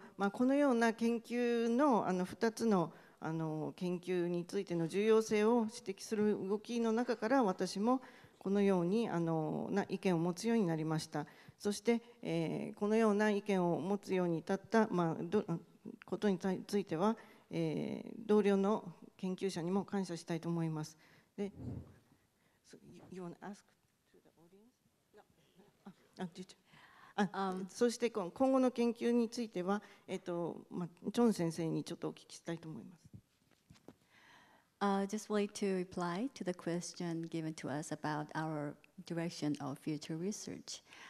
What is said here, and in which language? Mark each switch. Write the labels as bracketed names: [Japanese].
[Japanese] このような研究の2つの研究についての重要性を指摘する動きの中から、私もこのように意見を持つようになりました。そしてこのような意見を持つように至ったことについては、同僚の研究者にも感謝したいと思います。 [English] で、You want to ask to the audience? No. [Japanese] そして今後の研究については、チョン先生にちょっとお聞きしたいと思います。 [English] Just wait to reply to the question given to us about our direction of future research.